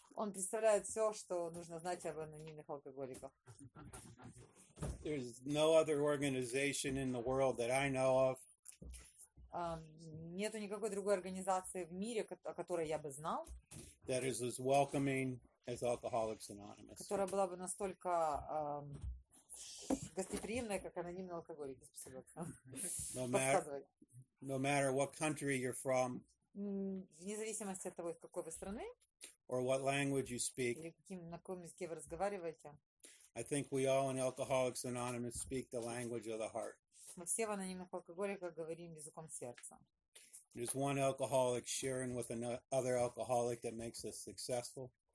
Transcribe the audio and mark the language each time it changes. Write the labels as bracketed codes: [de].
[ru] Он представляет все, что нужно знать об анонимных алкоголиках. [en] There's no other organization in the world that I know of. [ru] Нету никакой другой организации в мире, о которой я бы знал. [en] That is as welcoming as Alcoholics Anonymous. [ru] Которая была бы настолько гостеприимная, как анонимные алкоголики. Спасибо. [en] No matter what country you're from, [ru] вне зависимости от того, из какой вы страны, [en] or what language you speak, [ru] или каким, на каком языке вы разговариваете, [en] I think we all in Alcoholics Anonymous speak the language of the heart. [ru] Мы все в анонимных алкоголиках говорим языком сердца. [en] There's one alcoholic sharing with another alcoholic that makes us successful.